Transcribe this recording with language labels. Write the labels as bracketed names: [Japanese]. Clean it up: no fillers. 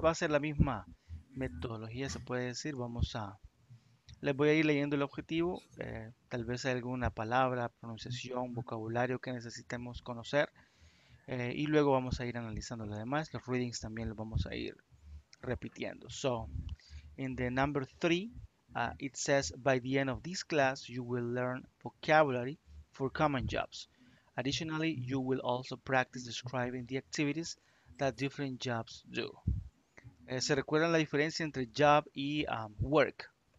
[Spanish] Va a ser la misma metodología, se puede decir. Les voy a ir leyendo el objetivo, tal vez hay alguna palabra, pronunciación, vocabulario que necesitemos conocer. Y luego vamos a ir analizando lo demás, los readings también los vamos a ir repitiendo. [English] So, in the number 3, it says, by the end of this class, you will learn vocabulary for common jobs. Additionally, you will also practice describing the activities that different jobs do. [Spanish] ¿Se recuerdan la diferencia entre job y work?